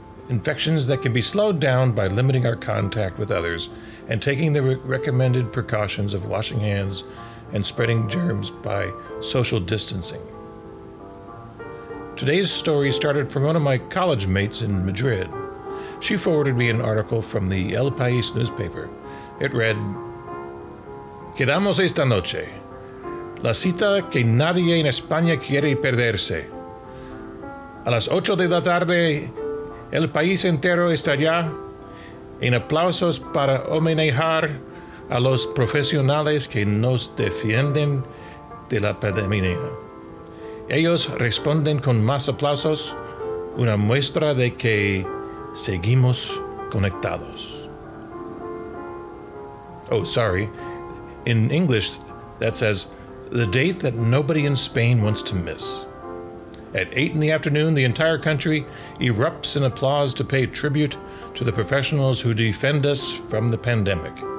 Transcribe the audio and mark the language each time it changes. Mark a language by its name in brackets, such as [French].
[English] Infections that can be slowed down by limiting our contact with others and taking the recommended precautions of washing hands and spreading germs by social distancing. Today's story started from one of my college mates in Madrid. She forwarded me an article from the El País newspaper. It read, [Spanish] "Quedamos esta noche. La cita que nadie en España quiere perderse. A las 8 de la tarde, el país entero estará en aplausos para homenajear a los profesionales que nos defienden de la pandemia. Ellos responden con más aplausos, una muestra de que seguimos conectados." [English] Oh, sorry. In English, that says, "the date that nobody in Spain wants to miss. At 8 in the afternoon, the entire country erupts in applause to pay tribute to the professionals who defend us from the pandemic.